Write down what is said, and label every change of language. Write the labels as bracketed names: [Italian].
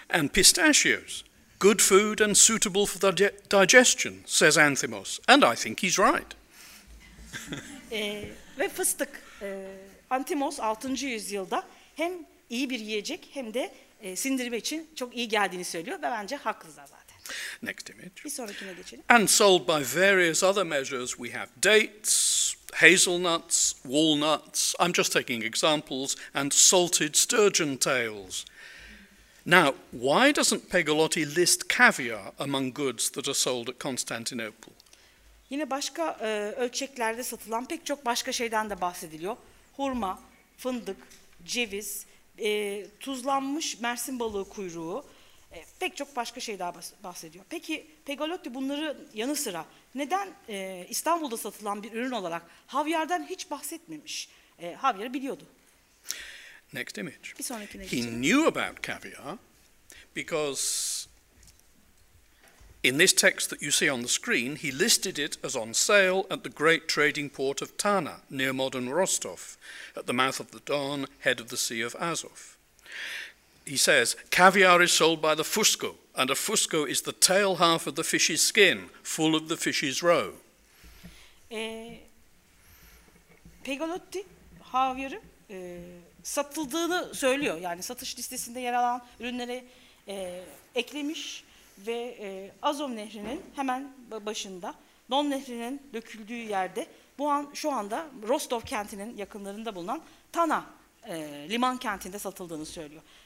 [English] And pistachios, good food and suitable for the digestion, says Anthimos, and I think he's right. [Turkish] ve fıstık, Antimos 6. yüzyılda hem iyi bir yiyecek hem de sindirme için çok iyi geldiğini söylüyor ve bence haklı zaten. [English] Next image. [Turkish] Bir sonrakine geçelim. [English] And sold by various other measures, we have dates, hazelnuts, walnuts, I'm just taking examples, and salted sturgeon tails. Now, why doesn't Pegolotti list caviar among goods that are sold at Constantinople? [Turkish] Yine başka ölçeklerde satılan pek çok başka şeyden de bahsediliyor. Hurma, fındık, ceviz, tuzlanmış mersin balığı kuyruğu, pek çok başka şey daha bahsediyor. Peki Pegolotti bunları yanı sıra neden İstanbul'da satılan bir ürün olarak havyardan hiç bahsetmemiş? Havyarı biliyordu. [English] Next image. [Turkish] Bir sonrakine geçelim. [English] He knew about caviar because in this text that you see on the screen, he listed it as on sale at the great trading port of Tana, near modern Rostov, at the mouth of the Don, head of the Sea of Azov. He says, caviar is sold by the fusco, and a fusco is the tail half of the fish's skin, full of the fish's roe. [Turkish] Pegolotti, havyarı satıldığını söylüyor. Yani satış listesinde yer alan ürünlere eklemiş. Ve Azov Nehri'nin hemen başında, Don Nehri'nin döküldüğü yerde, şu anda Rostov kentinin yakınlarında bulunan Tana liman kentinde satıldığını söylüyor.